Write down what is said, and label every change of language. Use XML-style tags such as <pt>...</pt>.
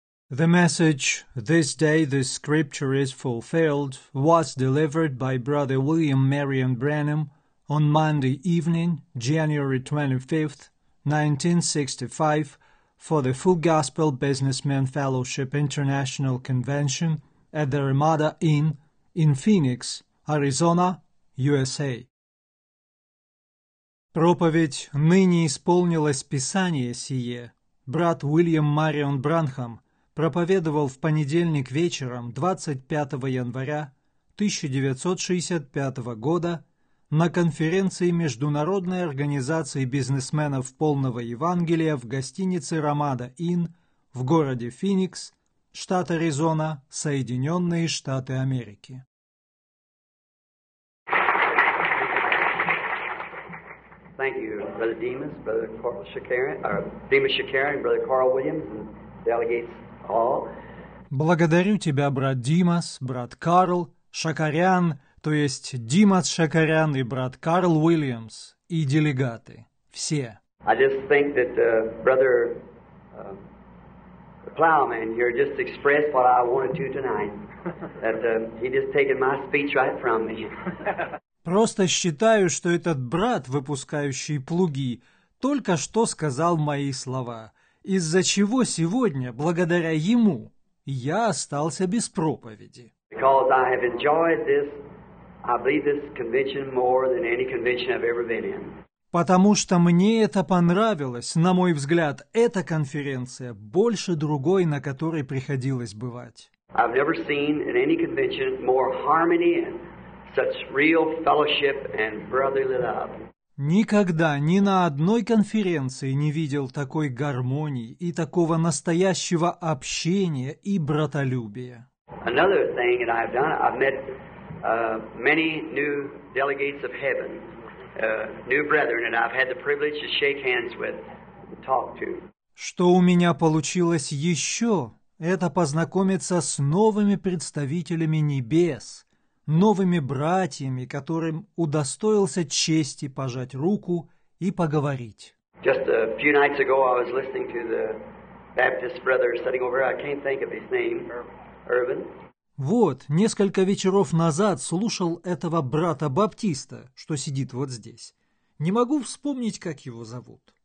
<en>The message, "This day the scripture is fulfilled," was delivered by Brother William Marion Branham on Monday evening, January 25, 1965, for the Full Gospel Businessmen Fellowship International Convention at the Ramada Inn in Phoenix, Arizona, USA.</en> <ru>Проповедь «Ныне исполнилось Писание сие» брат Уильям Марион Бранхам проповедовал в понедельник вечером 25 января 1965 года на конференции Международной организации бизнесменов полного Евангелия в гостинице «Ramada Inn» в городе Финикс, штат Аризона, Соединенные Штаты Америки.</ru> <en>Thank you, Brother Demas, Brother Carl Shakarin, Demas Shakarin, Brother Carl Williams, and delegates all.</en> <ru>Благодарю тебя, брат Димас, брат Карл Шакарян, то есть Димас Шакарян и брат Карл Уильямс и делегаты все.</ru> <en>I just think that Brother the Plowman here just expressed what I wanted to tonight. That he just taken my speech right from me.</en> <ru>Просто считаю, что этот брат, выпускающий плуги, только что сказал мои слова, из-за чего сегодня, благодаря ему, я остался без проповеди.</ru> <en>Because I have enjoyed this, I believe this convention more than any convention I've ever been in.</en> <ru>Потому что мне это понравилось, на мой взгляд, эта конференция больше другой, на которой приходилось бывать.</ru> <en>I've never seen in any convention more harmony and such real fellowship and brotherly love.</en> <ru>Никогда ни на одной конференции не видел такой гармонии и такого настоящего общения и братолюбия.</ru> <en>Another thing that I've done, I've met many new delegates of heaven, new brethren, and I've had the privilege to shake hands with, talk to.</en> <ru>Что у меня получилось еще, это познакомиться с новыми представителями небес, новыми братьями, которым удостоился чести пожать руку и поговорить.</ru> <en>Just a few nights ago I was listening to the Baptist brother sitting over here. I can't think of his name. Irvin.</en> <ru>Вот, несколько вечеров назад слушал этого брата-баптиста, что сидит вот здесь. Не могу вспомнить, как его зовут.</ru>